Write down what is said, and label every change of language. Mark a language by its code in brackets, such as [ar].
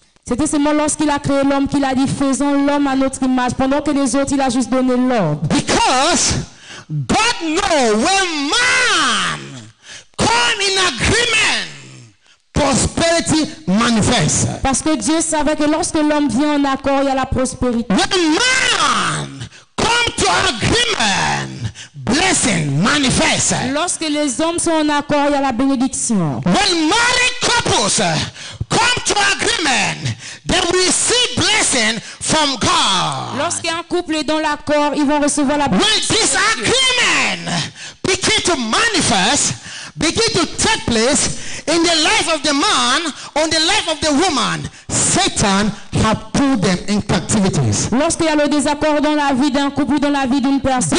[fr] C'était seulement lorsqu'il a créé l'homme qu'il a dit faisons l'homme à notre image pendant que les autres il a juste donné l'ordre. [en] Because God knows when man come in agreement, prosperity manifests. [fr] Parce que Dieu savait que lorsque l'homme vient en accord, il y a la prospérité. [en] When man come to agreement, blessing manifests. [fr] Lorsque les hommes sont en accord, il y a la bénédiction. [en] When married couples come to agreement, they receive blessing from God. [fr] Lorsqu'un couple est dans l'accord, ils vont recevoir la bénédiction. [en] When this agreement begin to manifest, begin to take place in the life of the man, on the life of the woman, Satan has put them in captivities. [fr] Lorsqu'il y a le désaccord dans la vie d'un couple, dans la vie d'une personne.